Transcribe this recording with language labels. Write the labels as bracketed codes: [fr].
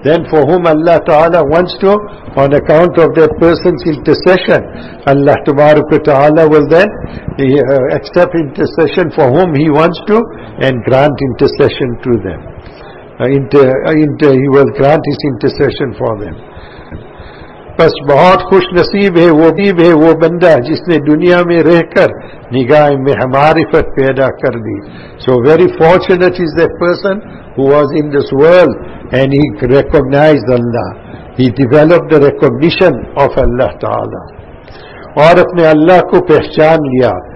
[en] Then for whom Allah Ta'ala wants to, on account of that person's intercession, Allah Ta'ala will then accept intercession for whom He wants to and grant intercession to them. He will grant His intercession for them. [ur] بس بہت خوش نصیب ہے وہ بھی ہے وہ بندہ جس نے دنیا میں رہ کر نگاہ میں معرفت پیدا کر دی. [en] So very fortunate is that person who was in this world and he recognized Allah. He developed the recognition of Allah Ta'ala. [ur] اور اپنے اللہ کو پہچان لیا.